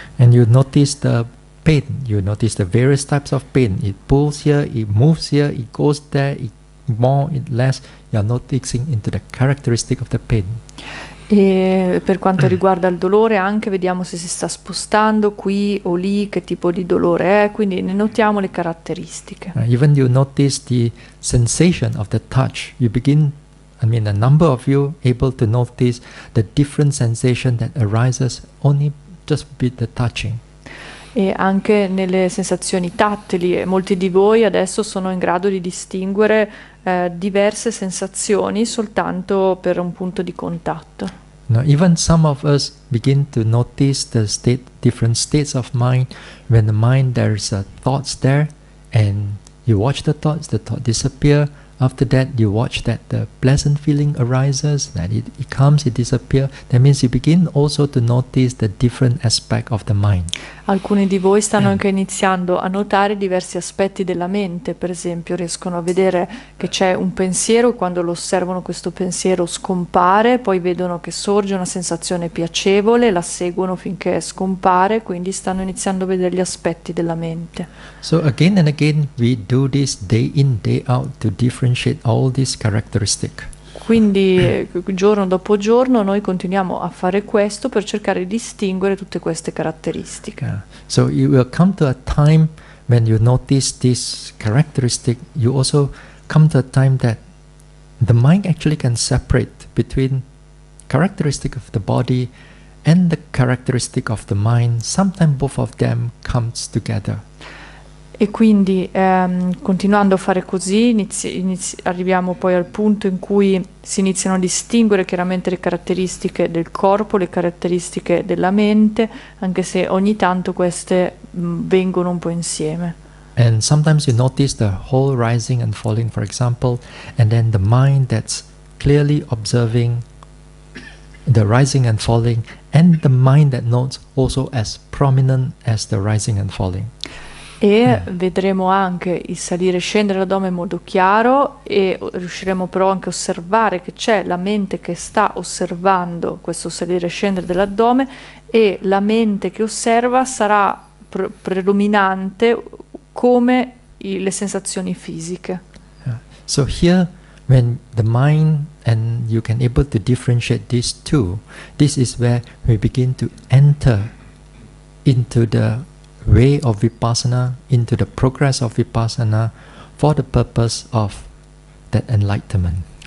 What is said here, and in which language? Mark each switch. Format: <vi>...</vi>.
<en>And you notice the pain, you notice the various types of pain, it pulls here, it moves here, it goes there, it more, it less, you're noticing into the characteristic of the pain.</en> <it>E per quanto riguarda il dolore, anche vediamo se si sta spostando qui o lì, che tipo di dolore è, quindi ne notiamo le caratteristiche.</it> <en>Even you notice the sensation of the touch, you begin, I mean a number of you able to notice the different sensation that arises only just with the touching.</en> <it>E anche nelle sensazioni tattili, molti di voi adesso sono in grado di distinguere diverse sensazioni soltanto per un punto di contatto.</it> <en>Now, even some of us begin to notice the state, different states of mind, when the mind there's a thoughts there, and you watch the thought disappear. After that, you watch that the pleasant feeling arises, that it comes, it disappears. That means you begin also to notice the different aspect of the mind.</en> <it>Alcuni di voi stanno anche iniziando a notare diversi aspetti della mente. Per esempio, riescono a vedere che c'è un pensiero, quando lo osservano questo pensiero scompare, poi vedono che sorge una sensazione piacevole, la seguono finché scompare, quindi stanno iniziando a vedere gli aspetti della mente.</it> <en>So again and again we do this day in, day out to differentiate all these characteristics.</en> <it>Quindi giorno dopo giorno noi continuiamo a fare questo per cercare di distinguere tutte queste caratteristiche.</it> <en>So you will come to a time when you notice this characteristic, you also come to a time that the mind actually can separate between characteristic of the body and the characteristic of the mind. Sometimes both of them comes together.</en> <it>E quindi continuando a fare così arriviamo poi al punto in cui si iniziano a distinguere chiaramente le caratteristiche del corpo, le caratteristiche della mente, anche se ogni tanto queste vengono un po' insieme.</it> <en>And sometimes you notice the whole rising and falling, for example, and then the mind that's clearly observing the rising and falling, and the mind that notes also as prominent as the rising and falling.</en> <it>E vedremo anche il salire e scendere l'addome in modo chiaro, e riusciremo però anche a osservare che c'è la mente che sta osservando questo salire e scendere dell'addome, e la mente che osserva sarà predominante come le sensazioni fisiche.</it> <en>So here, when the mind and you can able to differentiate these two, this is where we begin to enter into the way of Vipassana, into the progress of Vipassana for the purpose of that enlightenment.</en>